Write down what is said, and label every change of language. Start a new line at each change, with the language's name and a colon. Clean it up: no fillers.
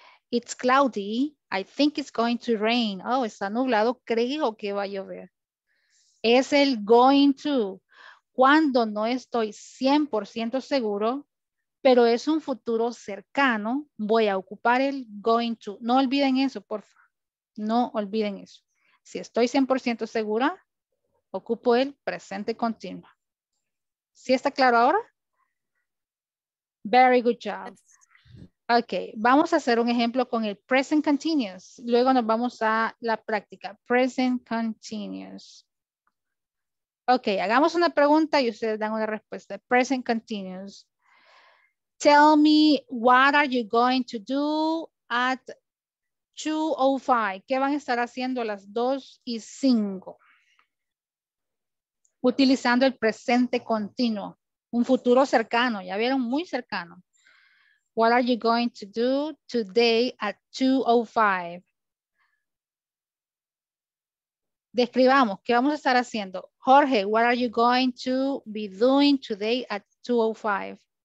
English: It's cloudy, I think it's going to rain.
Spanish: Oh, está nublado, creo que va a llover. Es el going to, cuando no estoy 100% seguro, pero es un futuro cercano, voy a ocupar el going to. No olviden eso, por favor. No olviden eso. Si estoy 100% segura, ocupo el presente continuo. ¿Sí está claro ahora?
English: Very good job.
Spanish: Ok, vamos a hacer un ejemplo con el present continuous. Luego nos vamos a la práctica. Present continuous. Ok, hagamos una pregunta y ustedes dan una respuesta. Present continuous.
English: Tell me, what are you going to do at 2:05?
Spanish: ¿Qué van a estar haciendo a las 2:05? Utilizando el presente continuo, un futuro cercano, ya vieron, muy cercano.
English: What are you going to do today at 2:05?
Spanish: Describamos, ¿qué vamos a estar haciendo?
English: Jorge, what are you going to be doing today at 2:05?